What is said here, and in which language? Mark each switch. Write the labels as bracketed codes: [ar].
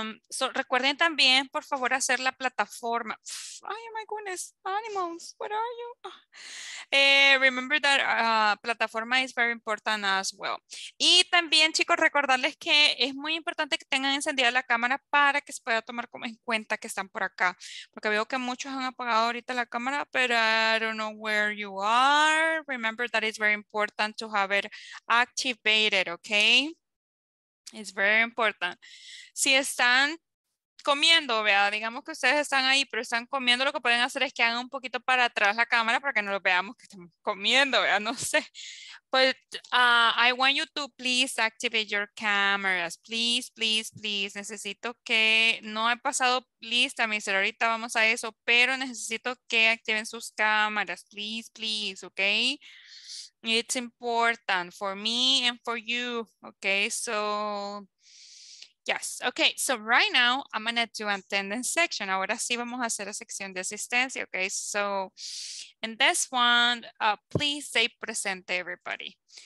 [es] So recuerden también, por favor, hacer la plataforma. [en] Ay, my goodness, animals, what are you? Remember that plataforma is very important as well. [es] Y también, chicos, recordarles que es muy importante que tengan encendida la cámara para que se pueda tomar como en cuenta que están por acá. Porque veo que muchos han apagado ahorita la cámara, pero [en] I don't know where you are. Remember that it's very important to have it activated, okay? It's very important. [es] Si están comiendo, vea, digamos que ustedes están ahí, pero están comiendo, lo que pueden hacer es que hagan un poquito para atrás la cámara para que no lo veamos que estamos comiendo, vea, no sé. [en] But I want you to please activate your cameras. Please, please, please. [es] Necesito que, no he pasado lista, mi señor, ahorita vamos a eso, pero necesito que activen sus cámaras. [en] Please, please, okay? It's important for me and for you, okay? So, yes. Okay, so right now, I'm gonna do attendance section. [es] Ahora sí vamos a hacer la sección de asistencia, okay? [en] So, in this one, please stay present, everybody.